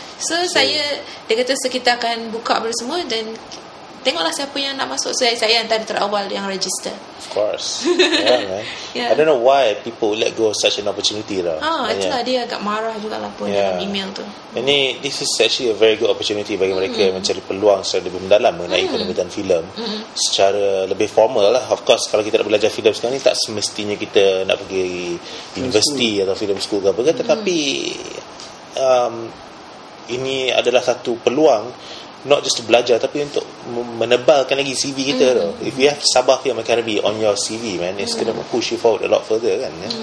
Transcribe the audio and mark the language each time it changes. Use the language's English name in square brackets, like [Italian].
[Malay] So saya, dia kata kita akan buka semua dan tengoklah siapa yang nak masuk. Saya antara terawal yang register. [English] Of course. Yeah, man. Yeah. I don't know why people let go of such an opportunity lah. [Malay] Itulah dia agak marah juga lah pun dalam email tu. Ini, [English] this is actually a very good opportunity [Malay] bagi mereka yang mencari peluang secara lebih mendalam mengenai penerbitan film. Secara lebih formal lah. [English] Of course, [Malay] kalau kita nak belajar film sekarang ni, tak semestinya kita nak pergi universiti atau film school ke apa ke. Tetapi, ini adalah satu peluang [English] not just to [Malay] belajar tapi untuk menebalkan lagi CV kita tu. [English] If you have Sabah Film Academy on your CV, man, it's going to push you forward a lot further kan.